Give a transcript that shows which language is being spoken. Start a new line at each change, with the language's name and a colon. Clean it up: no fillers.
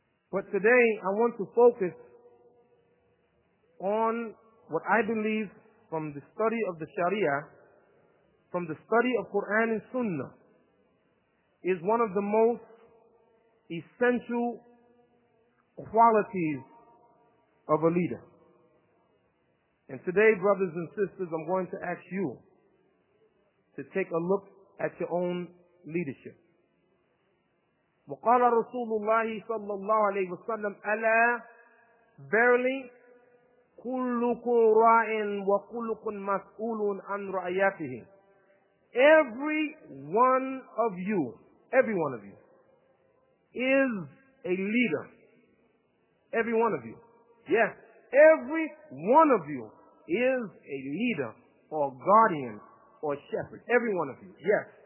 English: But today I want to focus on what I believe from the study of the Sharia, from the study of Quran and Sunnah, is one of the most essential qualities of a leader. And today, brothers and sisters, I'm going to ask you to take a look at your own leadership.
Arabic: وقال رسول الله صلى الله عليه وسلم ألا
English: verily
Arabic: كلكم راع وكلكم مسؤول عن رعيته.
English: Every one of you, every one of you is a leader. Every one of you. Yes, every one of you is a leader or guardian or shepherd. Every one of you. Yes.